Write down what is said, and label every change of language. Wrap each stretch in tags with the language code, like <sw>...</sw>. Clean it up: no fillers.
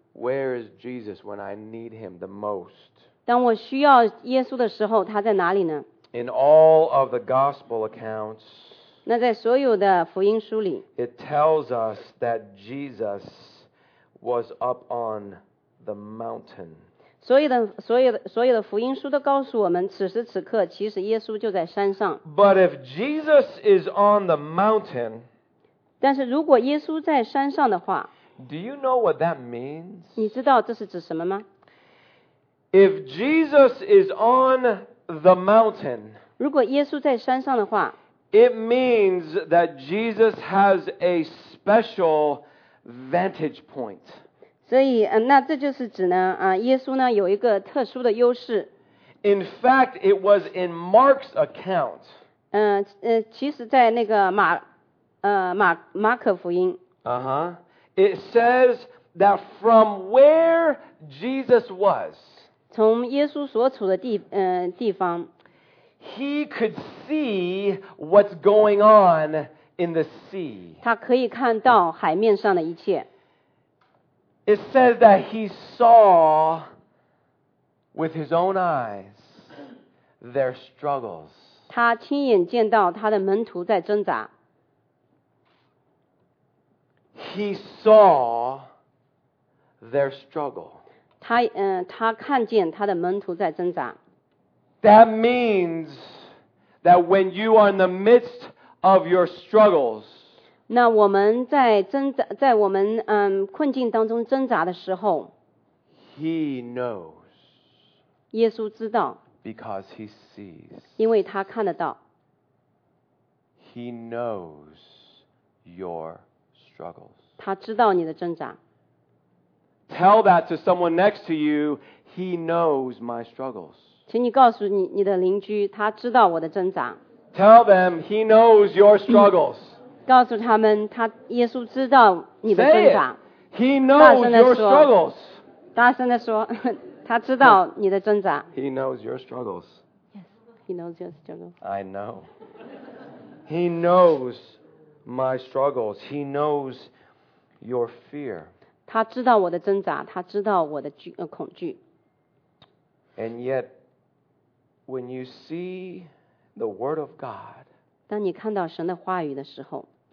<en>Where is Jesus when I need him the most?</en> <zh>当我需要耶稣的时候，他在哪里呢？</zh> <en>In all of the gospel accounts,</en> <zh>那在所有的福音书里</zh> <en>，It tells us that Jesus was up on the mountain.</en> <zh>所有的福音书都告诉我们，此时此刻其实耶稣就在山上。</zh> <en>But if Jesus is on the mountain,</en> <zh>但是如果耶稣在山上的话</zh> <en>，Do you know what that means?</en> <zh>你知道这是指什么吗</zh> <en>？If Jesus is on the mountain,</en> <zh>如果耶稣在山上的话。</zh> <en>It means that Jesus has a special vantage point.</en> <zh>所以，那这就是指呢，耶稣呢有一个特殊的优势。</zh> <en>In fact, it was in Mark's account.</en> <zh>其实在那个马可福音。 Uh-huh.</zh> <en>It says that from where Jesus was.</en> <zh>从耶稣所处的地方。</zh> <en>He could see what's going on in the sea.</en> <zh>他可以看到海面上的一切。</zh> <en>It says that he saw with his own eyes their struggles.</en> <zh>他亲眼见到他的门徒在挣扎。</zh> <en>He saw their struggle.</en> <zh>他看见他的门徒在挣扎。</zh> <en>That means that when you are in the midst of your struggles,</en> <zh>那我们在挣扎，在我们困境当中挣扎的时候</zh> <en>，He knows.</en> <zh>耶稣知道</zh> <en>，Because he sees.</en> <zh>因为他看得到</zh> <en>，He knows your struggles.</en> <zh>他知道你的挣扎。</zh> <en>Tell that to someone next to you. He knows my struggles.</en> <zh>请你告诉 你的邻居，他知道我的挣扎。</zh> <en>Tell them he knows your struggles.</en> <zh>告诉他们，他耶稣知道你的挣扎。</zh> <en>He knows your struggles.</en> <zh>大声地说，他知道你的挣扎。</zh> <en>He knows your struggles. Yes, he knows your struggles. I know. He knows my struggles. He knows your fear.</en> <zh>他知道我的挣扎，他知道我的恐惧。</zh> <en>And yet. When you see the word of God,</en> <zh>当你看到神的话语的时候</zh>